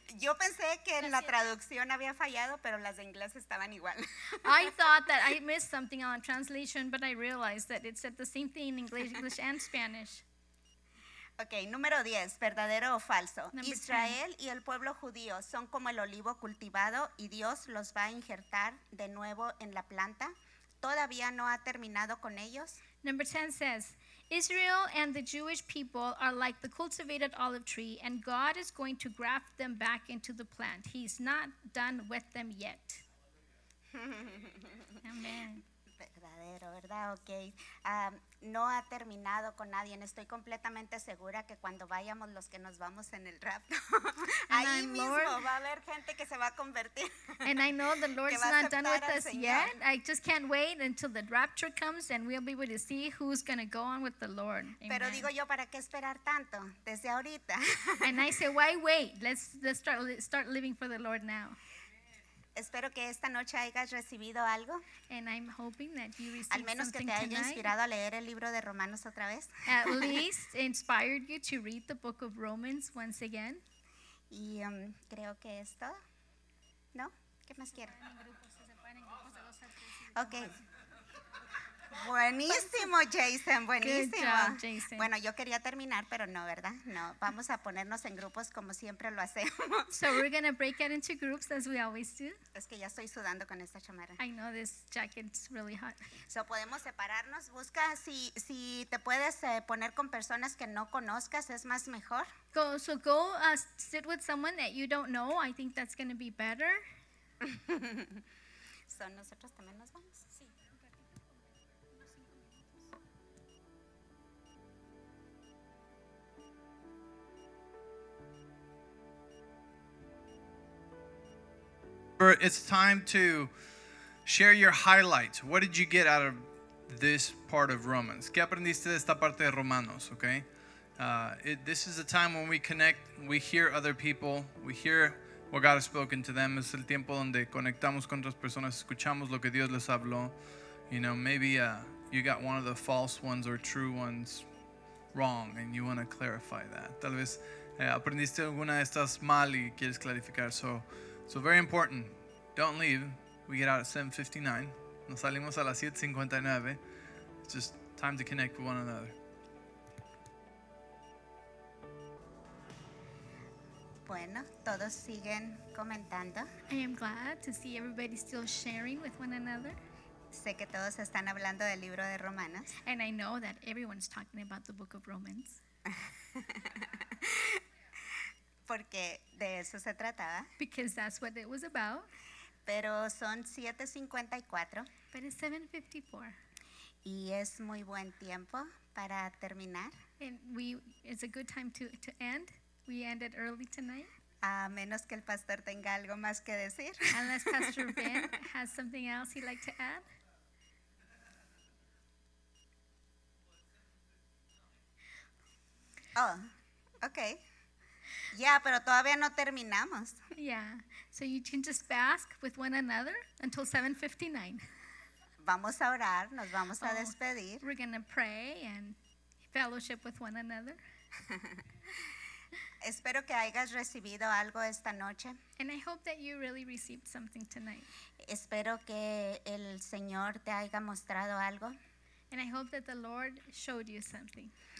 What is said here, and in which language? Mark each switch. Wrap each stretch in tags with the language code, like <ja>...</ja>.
<es>Yo pensé que en la traducción había fallado, pero las de inglés estaban igual.</es> <en>I thought that I missed something on translation, but I realized that it said the same thing in English, English and Spanish.</en> <es>Okay, número 10, ¿verdadero o falso?</es> <en>Number Israel 10.</en> <es>Y el pueblo judío son como el olivo cultivado y Dios los va a injertar de nuevo en la planta. ¿Todavía no ha terminado con ellos?</es> <en>Number 10 says, Israel and the Jewish people are like the cultivated olive tree and God is going to graft them back into the plant. He's not done with them yet. Amen.</en> <es>Verdadero, ¿verdad? Okay. No ha terminado con nadie. Estoy completamente segura que cuando vayamos los que nos vamos en el rapto, ahí mismo va a haber gente que se va a convertir.</es> <en>And I know the Lord's not done with us yet. I just can't wait until the rapture comes and we'll be able to see who's going to go on with the Lord. Amen.</en> <es>Pero digo yo, ¿para qué esperar tanto? Desde ahorita.</es> <en>And I say, why wait? Let's start living for the Lord now.</en> <es>Espero que esta noche hayas recibido algo.</es> <en>And I'm hoping that you received</en> <es>Al menos</es> <en>something</en> <es>que te haya</es> <en>tonight.</en> <es>Inspirado a leer el libro de Romanos otra vez.</es> <en>At least inspired you to read the book of Romans once again.</en> <es>Y creo que es todo. ¿No? ¿Qué más quieres? Ok. Buenísimo, Jason, buenísimo.</es> <en>Good job, Jason.</en> <es>Bueno, yo quería terminar, pero no, ¿verdad? No, vamos a ponernos en grupos como siempre lo hacemos.</es> <en>So we're going to break out into groups as we always do.</en> <es>Es que ya estoy sudando con esta chamarra.</es> <en>I know this jacket's really hot.</en> <es>So podemos separarnos. Busca si te puedes poner con personas que no conozcas, es más mejor.</es> <en>So go sit with someone that you don't know. I think that's going to be better.</en> <es>So nosotros también nos vamos.</es> <en>It's time to share your highlights. What did you get out of this part of Romans?</en> <es>¿Qué aprendiste de esta parte de Romanos?</es> <en>Okay. This is a time when we connect, we hear other people, we hear what God has spoken to them.</en> <es>Es el tiempo donde conectamos con otras personas, escuchamos lo que Dios les habló.</es> <en>You know, maybe you got one of the false ones or true ones wrong and you want to clarify that.</en> <es>Tal vez aprendiste alguna de estas mal y quieres clarificar.</es> <en>So very important, don't leave. We get out at 7:59.</en> <es>Nos salimos a las 7:59.</es> <en>It's just time to connect with one another.</en> <es>Bueno, todos siguen comentando.</es> <en>I am glad to see everybody still sharing with one another.</en> <es>Sé que todos están hablando del libro de Romanos.</es> <en>And I know that everyone's talking about the book of Romans.</en> <es>Porque de eso se trataba.</es> <en>Because that's what it was about.</en> <es>Pero son 7:54.</es> <en>But it's 7:54.</en> <es>Y es muy buen tiempo para terminar.</es> <en>And it's a good time to end. We ended early tonight.</en> <es>A menos que el pastor tenga algo más que decir.</es> <en>Unless Pastor Ben has something else he'd like to add.</en> <es>Oh, okay. Yeah, pero todavía no terminamos.</es> <en>Yeah, so you can just bask with one another until 7:59.</en> <es>Vamos a orar, nos vamos a despedir.</es> <en>We're going to pray and fellowship with one another.</en> <es>Espero que hayas recibido algo esta noche.</es> <en>And I hope that you really received something tonight.</en> <es>Espero que el Señor te haya mostrado algo.</es> <en>And I hope that the Lord showed you something.</en>